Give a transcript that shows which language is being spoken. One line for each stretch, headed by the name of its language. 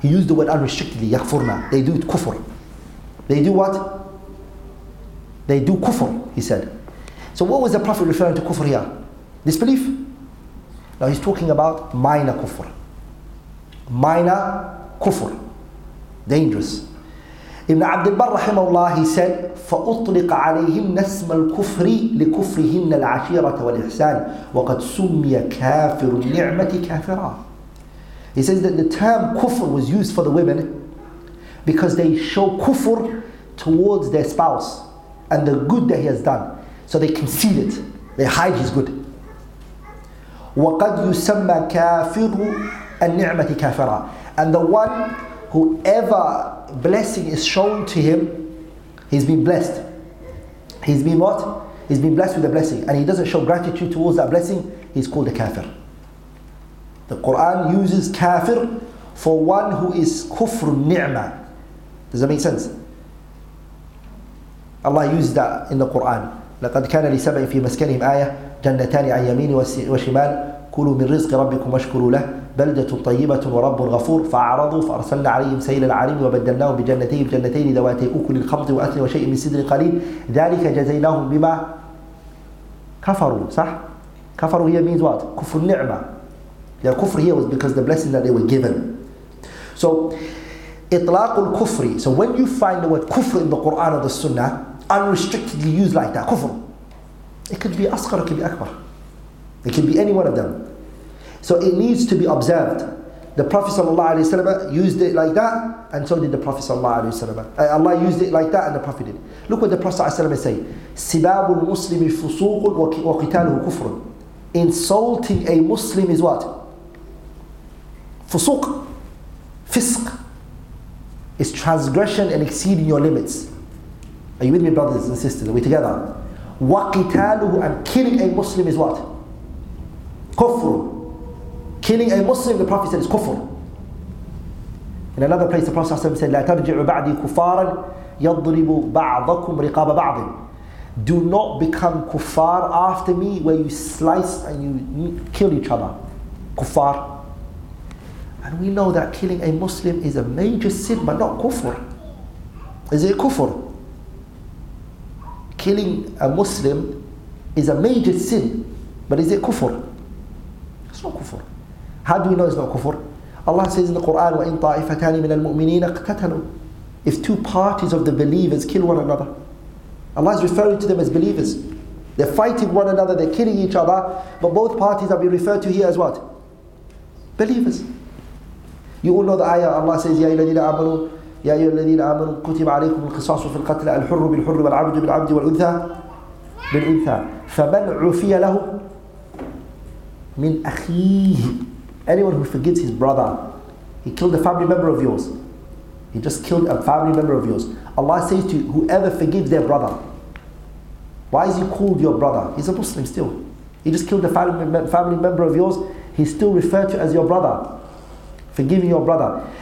English: He used the word unrestrictedly, yakfurna. They do it kufr. They do what? They do kufr, he said. So what was the Prophet referring to kufr here? Disbelief. Now he's talking about minor kufr. Minor kufr. Dangerous.
Arabic: Ibn Abd al-Barr rahimahullah,
English: he said,
Arabic: فَأُطْلِقَ عَلَيْهِمْ نَسْمَ الْكُفْرِ لِكُفْرِهِنَّ الْعَشِيرَةَ وَالْإِحْسَانِ وَقَدْ سُمِّيَ كَافِرُ النِّعْمَةِ كَافِرًا.
English: He says that the term kufr was used for the women because they show kufr towards their spouse and the good that he has done. So they conceal it. They hide his good.
Arabic: وَقَدْ يُسَمَّ كَافِرُ النِّعْمَةِ كَافِرًا.
English: And the one whoever blessing is shown to him, he's been blessed. He's been what? He's been blessed with a blessing. And he doesn't show gratitude towards that blessing, he's called a kafir. The Quran uses kafir for one who is kufr ni'mah. Does that make sense? Allah used that in the Quran.
Arabic: لَقَدْ كَانَ لِسَبَعٍ فِي مَسْكَنِهِمْ آيَةٍ جَنَّتَانِ عَنْ يَمِينِ وَشِمَالِ كُلُوا مِنْ رِزْقِ رَبِّكُمْ وَاشْكُرُوا لَهُ بلدة طيبة ورب غفور فأعرضوا فأرسلنا عليهم سيل العارم وبدلناهم بجنتين بجنتين ذواتي أكل خمط وأثل وشيء من سدر قليل ذلك جزيناهم بما كفروا. صح؟ كفروا هي
English: means what?
Arabic: كفر النعمة.
English: Their كفر here was because the blessing that they were given.
Arabic: So إطلاق الكفر.
English: So when you find the word كفر in the Quran or the Sunnah unrestrictedly used like that, كفر, it could be أصغر, it could be أكبر, it could be any one of them. So it needs to be observed. The Prophet sallallahu alaihi wasallam used it like that, and so did the Prophet sallallahu alaihi wasallam. Allah used it like that, and the Prophet did. Look what the Prophet sallallahu alaihi wasallam say:
Arabic: "Sibabul Muslimi fusuqun wa qitaluhu kufrun."
English: Insulting a Muslim is what? Fusuq, fisq. It's transgression and exceeding your limits. Are you with me, brothers and sisters? Are we together? Wa qitaluhu, and killing a Muslim is what? Kufr. Killing a Muslim, the Prophet said, is kufr. In another place, the Prophet said,
Arabic: لَا تَرْجِعُ بَعْدِي كُفَارًا يَضْرِبُ بَعْضَكُمْ رِقَابَ بَعْضٍ.
English: Do not become kufar after me, where you slice and you kill each other. Kufar. And we know that killing a Muslim is a major sin, but not kufr. Is it kufr? Killing a Muslim is a major sin, but is it kufr? It's not kufr. How do we know it's not kufr? Allah says in the Quran,
Arabic: وَإِن طَائِفَتَانِ مِنَ الْمُؤْمِنِينَ اقْتَتَلُوا.
English: If two parties of the believers kill one another, Allah is referring to them as believers. They're fighting one another, they're killing each other, but both parties are being referred to here as what? Believers. You all know the ayah, Allah says,
Arabic: يَا الَّذِينَ آمَنُوا يَا أَيُّهَا الَّذِينَ آمَنُوا كُتِبَ عَلَيْكُمُ الْقِصَاصُ فِي الْقَتْلَى الْحُرُّ بِالْحُرِّ وَالْعَبْدُ بِالْعَبْدِ وَالْأُنْثَى بِالْأُنْثَى فَمَنْ عُفِيَ لَهُ مِنْ أَخِيهِ.
English: Anyone who forgives his brother, he killed a family member of yours. He just killed a family member of yours. Allah says to you, whoever forgives their brother. Why is he called your brother? He's a Muslim still. He just killed a family member of yours. He's still referred to as your brother. Forgiving your brother.